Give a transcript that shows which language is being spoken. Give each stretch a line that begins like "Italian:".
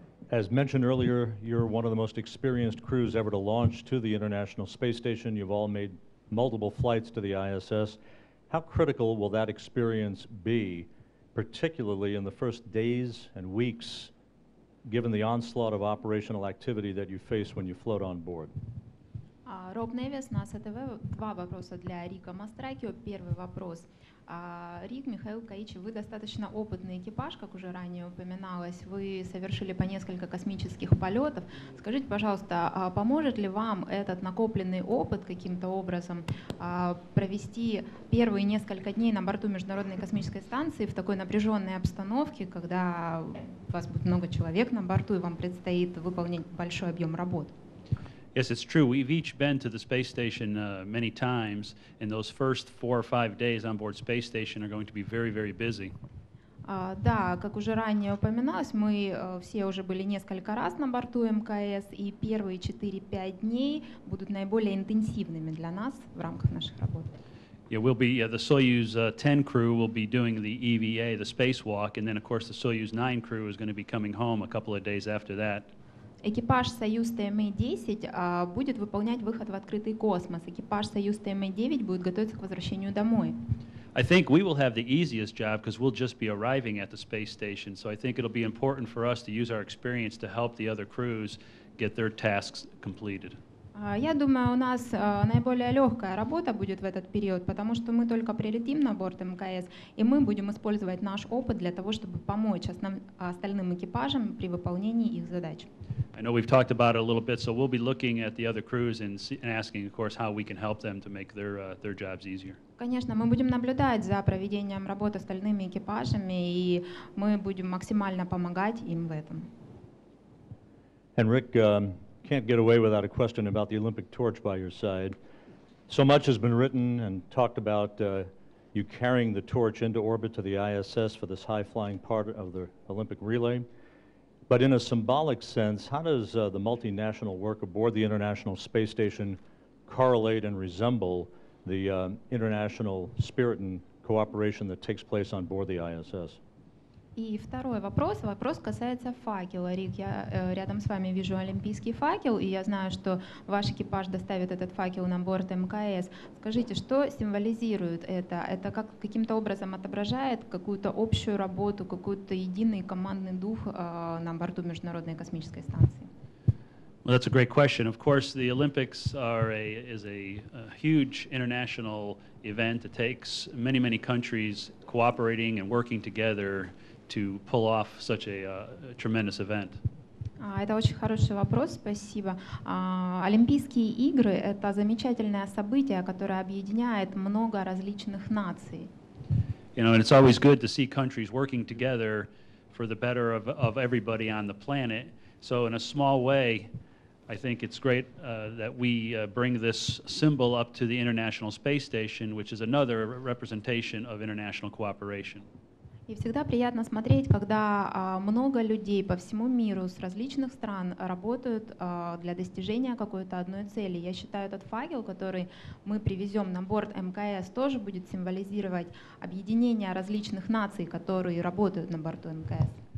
English: As mentioned earlier, you're one of the most experienced crews ever to launch to the International Space Station. You've all made multiple flights to the ISS. How critical will that experience be, particularly in the first days and weeks, given the onslaught of operational activity that you face when you float on board? Rob Navius, NASA TV.
Russian: Два вопроса для Рика Мастракио. Первый вопрос. Рик, Михаил, Каичи, вы достаточно опытный экипаж, как уже ранее упоминалось. Вы совершили по несколько космических полетов. Скажите, пожалуйста, поможет ли вам этот накопленный опыт каким-то образом провести первые несколько дней на борту Международной космической станции в такой напряженной обстановке, когда у вас будет много человек на борту и вам предстоит выполнить большой объем работ?
English: Yes, it's true. We've each been to the space station many times, and those first 4 or 5 days on board space station are going to be very, very busy.
Russian: Да, как уже ранее упоминалось, мы все уже были несколько раз на борту МКС, и первые 4-5 дней будут наиболее интенсивными для нас в рамках нашей работы.
English: Yeah, we'll be the Soyuz 10 crew will be doing the EVA, the spacewalk, and then of course the Soyuz 9 crew is going to be coming home a couple of days after that.
Russian: Экипаж «Союз ТМА-10» будет выполнять выход в открытый космос. Экипаж «Союз ТМА-9» будет готовиться к возвращению домой.
English: I think we will have the easiest job because we'll just be arriving at the space station. So I think it'll be important for us to use our experience to help the other crews get their tasks completed.
Russian: Я думаю, у нас наиболее легкая работа будет в этот период, потому что мы только прилетим на борт МКС, и мы будем использовать наш опыт для того, чтобы помочь остальным экипажам при выполнении их задач.
English: I know we've talked about it a little bit, so we'll be looking at the other crews and asking, of course, how we can help them to make their jobs easier.
Russian: Конечно, мы будем наблюдать за проведением работы остальными экипажами, и мы будем максимально помогать им в этом.
English: Henrik, can't get away without a question about the Olympic torch by your side. So much has been written and talked about you carrying the torch into orbit to the ISS for this high-flying part of the Olympic relay. But in a symbolic sense, how does the multinational work aboard the International Space Station correlate and resemble the international spirit and cooperation that takes place on board the ISS?
Russian: И второй вопрос. Вопрос касается факела. Рик, я рядом с вами вижу олимпийский факел, и я знаю, что ваш экипаж доставит этот факел на борт МКС. Скажите, что символизирует это? Это как каким-то образом отображает какую-то общую работу, какой-то единый командный дух на борту Международной космической станции?
English: Well, that's a great question. Of course, the Olympics is a huge international event. It takes many, many countries cooperating and working together to pull off such a tremendous event.
Russian: Это очень хороший вопрос, спасибо. Олимпийские игры — это замечательное событие, которое объединяет много различных наций.
English: You know, and it's always good to see countries working together for the better of everybody on the planet. So in a small way, I think it's great that we bring this symbol up to the International Space Station, which is another representation of international cooperation.
Russian: И всегда приятно смотреть, когда много людей по всему миру с различных стран работают для достижения какой-то одной цели. Я считаю, этот факел, который мы привезем на борт МКС, тоже будет символизировать объединение различных наций, которые работают на борту МКС.